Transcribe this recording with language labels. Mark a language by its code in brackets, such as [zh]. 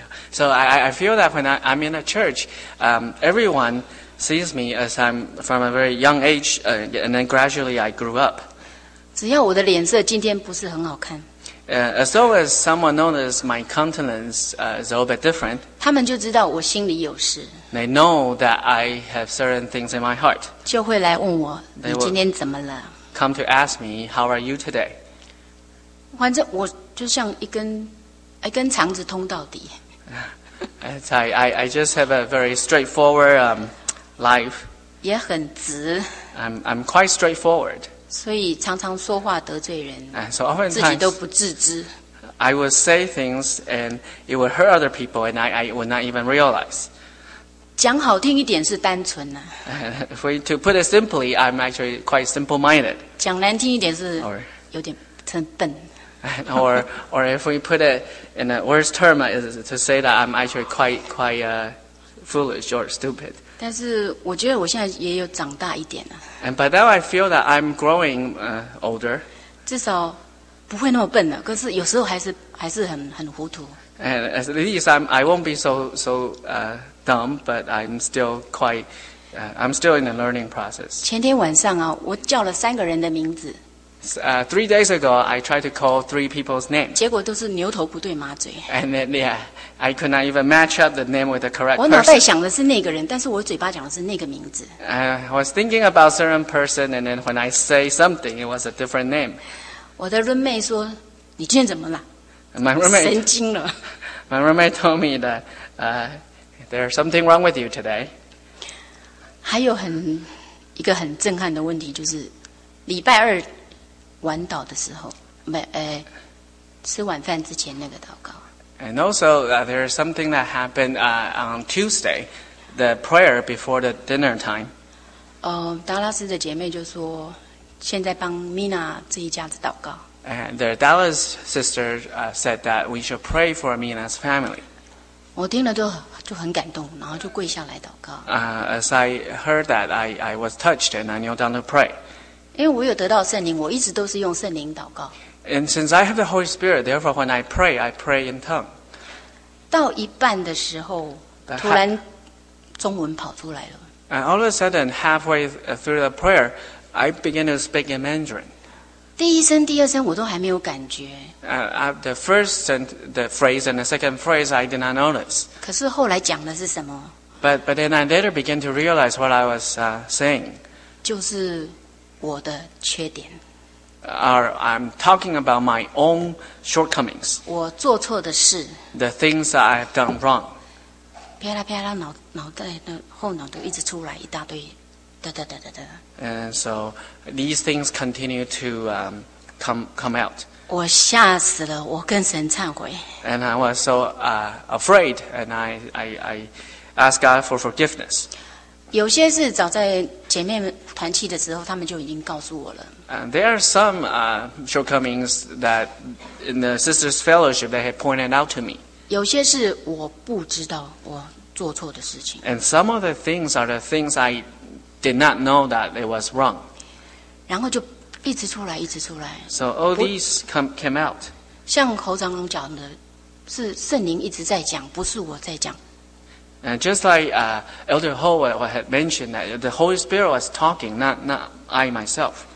[en] So I feel that when I'm in a church, everyone sees me as I'm from a very young age, and then gradually I grew up. [zh] 只要我的脸色今天不是很好看。 [en] As long as someone knows my countenance is a little bit different, [zh] 他们就知道我心里有事。 [en] They know that I have certain things in my heart. [zh] 就会来问我，你今天怎么了？ [en] Come to ask me, how are you today? [zh] 反正我就像一根肠子通到底。 [en] I just have a very straightforward life. [zh] 也很直。 [en] I'm quite straightforward. [zh] 所以常常说话得罪人。 [en] And so oftentimes, [zh] 自己都不自知。 [en] I would say things and it would hurt other people and I would not even realize. [zh] 讲好听一点是单纯啊。 [en] To put it simply, I'm actually quite simple-minded. [zh] 讲难听一点是有点成笨。 [en] Or if we put it in a worse term, is to say that I'm actually quite foolish or stupid. [zh] 但是我觉得我现在也有长大一点了。 [en] And by now I feel that I'm growing older. [zh] 至少不会那么笨了，可是有时候还是很糊涂。 [en] And at least I won't be so dumb, but I'm still I'm still in the learning process. [zh] 前天晚上啊，我叫了三个人的名字。 [en] Three days ago, I tried to call three people's names. [zh] 结果都是牛头不对马嘴。 [en] And then, I could not even match up the name with the correct [zh] person. 我脑袋想的是那个人，但是我嘴巴讲的是那个名字。 [en] I was thinking about certain person, and then when I say something, it was a different name. [zh] 我的 roommate 说，你今天怎么了？ [en] My roommate [zh] 神经了。 [en] My roommate told me that there's something wrong with you today. [zh] 还有一个很震撼的问题，就是礼拜二。晚祷的时候，吃晚饭之前那个祷告。 [en] And also, there is something that happened on Tuesday, the prayer before the dinner time. [zh] 达拉斯的姐妹就说，现在帮 Mina 这一家子祷告。 [en] And the Dallas sister said that we should pray for Mina's family. [zh] 我听了就很感动，然后就跪下来祷告。 [en] As I heard that, I was touched and I knelt down to pray. [zh] 因为我有得到圣灵，我一直都是用圣灵祷告。 [en] And since I have the Holy Spirit, therefore when I pray in tongue. [zh] 到一半的时候，突然中文跑出来了。 [en] And all of a sudden, halfway through the prayer, I began to speak in Mandarin. [zh] 第一声、第二声我都还没有感觉。 [en] The first the phrase and the second phrase, I did not notice. [zh] 可是后来讲的是什么？ [en] But then I later began to realize what I was saying. [zh] 就是我的缺点。 [en] I'm talking about my own shortcomings. [zh] 我做错的事。 [en] The things that I've done wrong. [zh] 啪啦啪啦，脑袋的后脑都一直出来一大堆，哒哒哒哒哒。 [en] And so these things continue to come out. [zh] 我吓死了，我跟神忏悔。 [en] And I was so afraid, and I asked God for forgiveness. [zh] 有些是早在姐妹团契的时候，他们就已经告诉我了。 [en] There are some shortcomings that in the sisters' fellowship they had pointed out to me. [zh] 有些是我不知道我做错的事情。 [en] And some of the things are the things I did not know that it was wrong. [zh] 然后就一直出来，一直出来。 [en] So all these came out. [zh] 像侯长龙讲的，是圣灵一直在讲，不是我在讲。 [en] And just like Elder Ho had mentioned that the Holy Spirit was talking, not I myself.